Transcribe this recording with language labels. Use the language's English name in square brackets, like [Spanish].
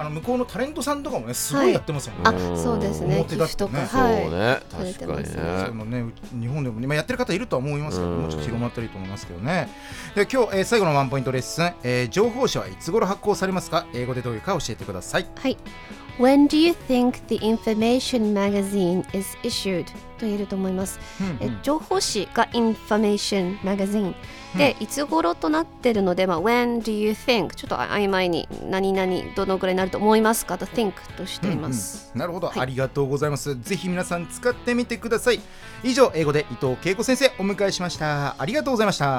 [Japanese] あの向こうのタレントさんとかもね、すごいやってますもんね、はい、あ、そうですね、寄付とか、はい、そうね、確かに ね、そのね、日本でも、ね、まあ、やってる方いるとは思いますけど、もうちょっと広まったりと思いますけどね。で今日、最後のワンポイントレッスン、情報誌はいつ頃発行されますか？英語でどういうか教えてください。 [English] はい、When do you think the information magazine is issued? [Japanese] と言えると思います。情報誌が information magazine で、いつ頃となっているので、まあ、 [English] When do you think? [Japanese] ちょっと曖昧に何々どのぐらいになると思いますかと think としています。なるほど、はい、ありがとうございます。ぜひ皆さん使ってみてください。以上、英語で伊藤恵子先生お迎えしました。ありがとうございました。